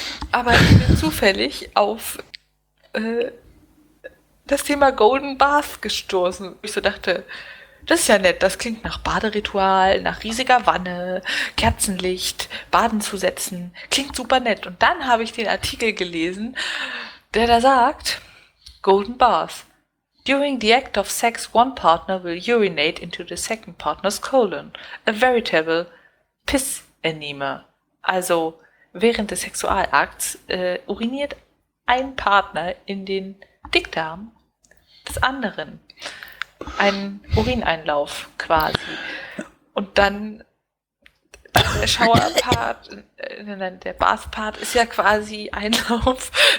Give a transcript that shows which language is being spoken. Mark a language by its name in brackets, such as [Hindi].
[German] Aber ich bin zufällig auf das Thema Golden Bath gestoßen. Ich so dachte, das ist ja nett. Das klingt nach Baderitual, nach riesiger Wanne, Kerzenlicht, Baden zu setzen. Klingt super nett. Und dann habe ich den Artikel gelesen, der da sagt, Golden Bath. [English] During the act of sex, one partner will urinate into the second partner's colon. A veritable piss enema. [German] Also, während des Sexualakts uriniert ein Partner in den Dickdarm des anderen. Ein Urineinlauf quasi. Und dann der Shower-Part, der Bath-Part ist ja quasi Einlauf.